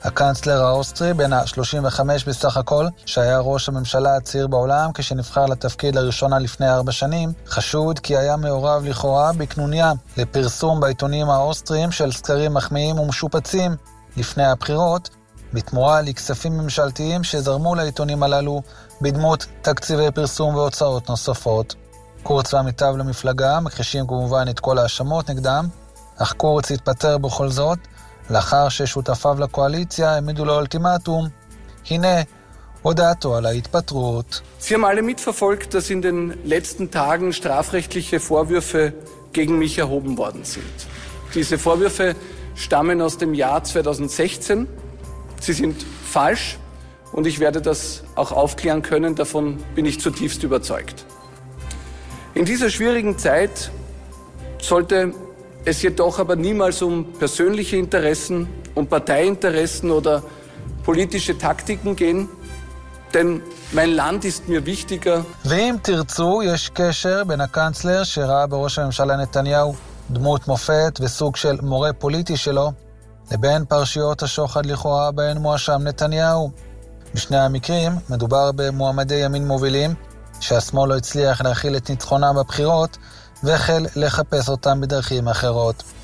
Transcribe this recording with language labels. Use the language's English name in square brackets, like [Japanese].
[Hebrew] הקנצלר האוסטרי בין ה-35 בסך הכל, שהיה ראש הממשלה הצעיר בעולם כשנבחר לתפקיד לראשונה לפני 4 שנים, חשוד כי היה מעורב לכאורה בקנוניה לפרסום בעיתונים האוסטריים של סקרים מחמיאים ומשופצים לפני הבחירות, בתמורה לכספים ממשלתיים שזרמו לעיתונים הללו בדמות תקציבי פרסום והוצאות נוספות. קורץ והמיטב למפלגה מכחישים כמובן את כל האשמות נגדם, אך קורץ התפטר בכל זאת לאחר ששותפיו לקואליציה העמידו לו אולטימטום. הנה הודעתו על ההתפטרות. [German] Sie haben alle mitverfolgt, dass in den letzten Tagen strafrechtliche Vorwürfe gegen mich erhoben worden sind. Diese Vorwürfe stammen aus dem Jahr 2016. Sie sind falsch und ich werde das auch aufklären können, davon bin ich zutiefst überzeugt. In dieser schwierigen Zeit sollte es jedoch aber niemals um persönliche Interessen, um Parteiinteressen oder politische Taktiken gehen, denn mein Land ist mir wichtiger. [Hebrew] Wem tirzu, יש קשר בין הקנצלר שראה בראש הממשלה נתניהו דמות מופת וסוג של מורה פוליטי שלו, לבין פרשיות השוחד לכאורה בהן מואשם נתניהו. בשני המקרים מדובר במועמדי ימין מובילים, שהשמאל לא הצליח להכיל את ניצחונם בבחירות והחל לחפש אותם בדרכים אחרות.